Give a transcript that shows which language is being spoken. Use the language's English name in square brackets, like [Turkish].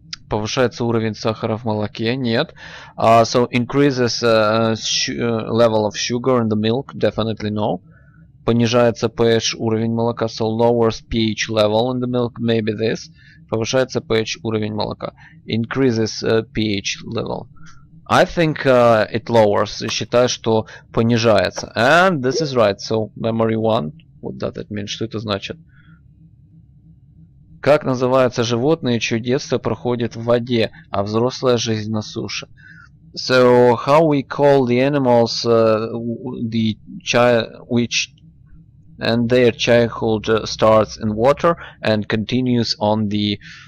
[Russian] Повышается уровень сахара в молоке? Нет. [English] So increases level of sugar in the milk? Definitely no. [Russian] Понижается pH уровень молока? [English] So lowers pH level in the milk? Maybe this. [Russian] Повышается pH уровень молока? [English] Increases pH level. I think it lowers. [Russian] Считаю, что понижается. [English] And this is right. So, memory one. What does that mean? [Russian] Что это значит? Как называются животные, чье детство проходит в воде, а взрослая жизнь на суше? [English] So, how we call the animals, the child, which, and their childhood starts in water and continues on the...